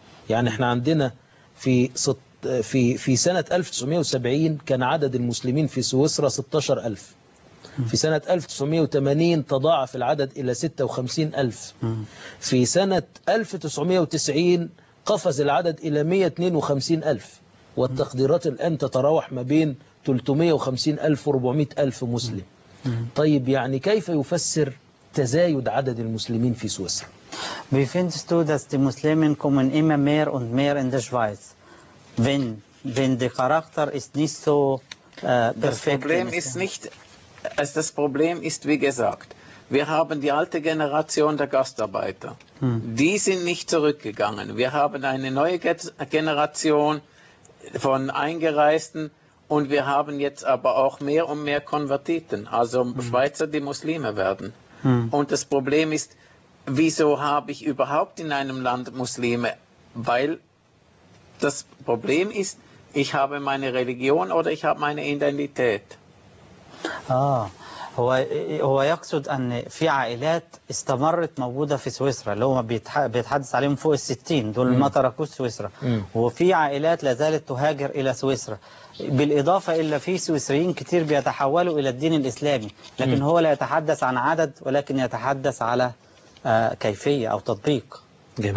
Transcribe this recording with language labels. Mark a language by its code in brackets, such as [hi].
[ar] يعني إحنا عندنا في سنة 1970 كان عدد المسلمين في سويسرا 16,000 في سنة 1980 تضاعف العدد إلى 56,000 في سنة 1990 قفز العدد إلى 152,000 والتقديرات الآن تتراوح ما بين 350,000 و 400,000 مسلم طيب يعني كيف يفسر تزايد عدد المسلمين في سويسرا؟ [de] Wie findest du, dass die Muslimen kommen immer mehr und mehr in der Schweiz? Wenn der Charakter ist nicht so perfekt. Das Problem ist nicht Also das Problem ist, wie gesagt, wir haben die alte Generation der Gastarbeiter. Die sind nicht zurückgegangen. Wir haben eine neue Generation von Eingereisten und wir haben jetzt aber auch mehr und mehr Konvertiten, also Schweizer, die Muslime werden. Und das Problem ist, wieso habe ich überhaupt in einem Land Muslime? Weil das Problem ist, ich habe meine Religion oder ich habe meine Identität. آه [ar] هو يقصد أن في عائلات استمرت موجودة في سويسرا اللي هو بيتحدث عليهم فوق الستين دول ما تركوا سويسرا وفي عائلات لازالت تهاجر إلى سويسرا بالإضافة إلى في سويسريين كتير بيتحولوا إلى الدين الإسلامي لكن هو لا يتحدث عن عدد ولكن يتحدث على كيفية أو تطبيق جميل.